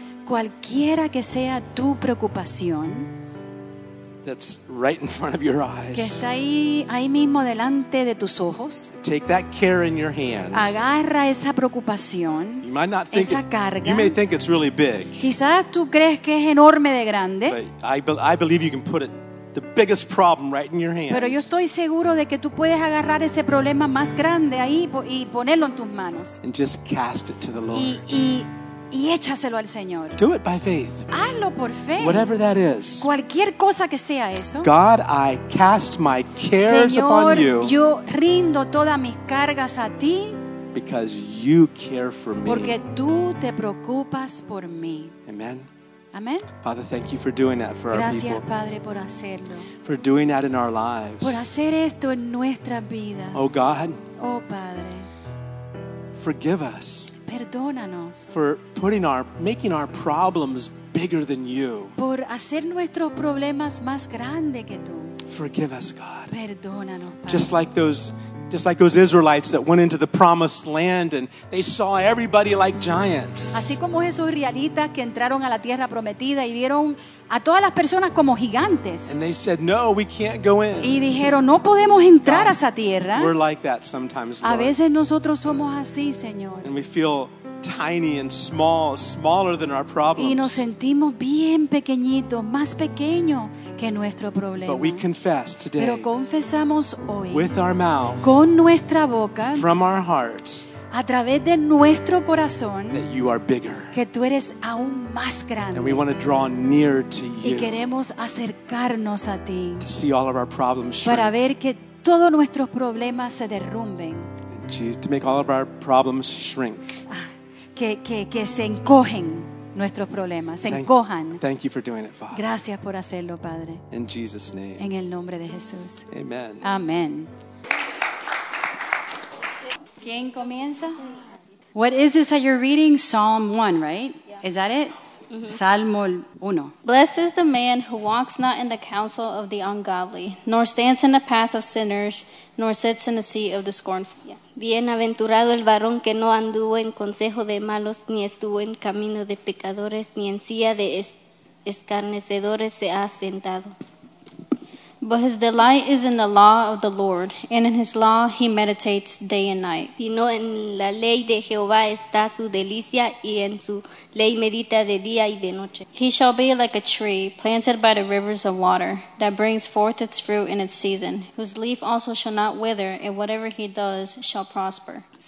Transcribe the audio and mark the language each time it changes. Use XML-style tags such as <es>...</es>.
<es>Cualquiera que sea tu preocupación</es> <en>that's right in front of your eyes,</en> <es>que está ahí, ahí mismo delante de tus ojos,</es> <en>take that care in your hand.</en> <es>Agarra esa preocupación,</es> <en>you might not think</en> <es>esa carga.</es> <en>You may think it's really big,</en> <es>quizás tú crees que es enorme de grande,</es> <en>but I believe you can put it the biggest problem right in your hand.</en> <es>Pero yo estoy seguro de que tú puedes agarrar ese problema más grande ahí y ponerlo en tus manos.</es> <en>And just cast it to the Lord.</en> <es>Y échaselo al Señor.</es> <en>Do it by faith.</en> <es>Hazlo por fe.</es> <en>Whatever that is.</en> <es>Cualquier cosa que sea eso.</es> <en>God, I cast my cares</en> <es>Señor,</es> <en>upon you.</en> <es>Yo rindo todas mis cargas a ti.</es> <en>Because you care for me.</en> <es>Porque tú te preocupas por mí.</es> <en>Amen.</en> <es>Amen.</es> <en>Father, thank you for doing that for</en> <es>Gracias,</es> <en>our people.</en> <es>Gracias, Padre, por hacerlo.</es> <en>For doing that in our lives.</en> <es>Por hacer esto en nuestras vidas.</es> <en>Oh God.</en> <es>Oh Padre.</es> <en>Forgive us.</en> <es>Perdónanos.</es> <en>For putting making our problems bigger than you.</en> <es>Por hacer nuestros problemas más grande que tú.</es> <en>Forgive us, God.</en> <es>Perdónanos, Padre.</es> <en>Just like those Just like those Israelites that went into the promised land and they saw everybody like giants.</en> <es>Así como esos israelitas que entraron a la tierra prometida y vieron a todas las personas como gigantes.</es> <en>And they said, "No, we can't go in."</en> <es>Y dijeron, "No podemos entrar</es> <en>God,</en> <es>a esa tierra."</es> <en>We're like that sometimes, Lord.</en> <es>A veces nosotros somos así, Señor.</es> <en>And we feel tiny and small, smaller than our problems.</en> <es>Y nos sentimos bien pequeñitos, más pequeño que nuestro problema.</es> <en>But we confess today.</en> <es>Pero confesamos hoy.</es> <en>With our mouth.</en> <es>Con nuestra boca.</es> <en>From our heart.</en> <es>A través de nuestro corazón.</es> <en>That you are bigger.</en> <es>Que tú eres aún más grande.</es> <en>And we want to draw near to you.</en> <es>Y queremos acercarnos a ti.</es> <en>To see all of our problems shrink.</en> <es>Para ver que todos nuestros problemas se derrumben.</es> <en>To make all of our problems shrink.</en> <es>Que se encogen nuestros problemas, se encojan.</es> <en>Thank you for doing it, Father.</en> <es>Gracias por hacerlo, Padre.</es> <en>In Jesus' name.</en> <es>En el nombre de Jesús.</es> <en>Amen.</en> <es>Amen. ¿Quién comienza?</es> <en>What is this that you're reading? Psalm 1, right? Yeah. Is that it? Mm-hmm. Salmo 1. Blessed is the man who walks not in the counsel of the ungodly, nor stands in the path of sinners, nor sits in the seat of the scornful. Yeah.</en> <es>Bienaventurado el varón que no anduvo en consejo de malos, ni estuvo en camino de pecadores, ni en silla de escarnecedores se ha sentado.</es> <en>But his delight is in the law of the Lord, and in his law he meditates day and night.</en> <es>Sino en la ley de Jehová está su delicia, y en su ley medita de día y de noche.</es> <en>He shall be like a tree planted by the rivers of water, that brings forth its fruit in its season, whose leaf also shall not wither, and whatever he does shall prosper.</en>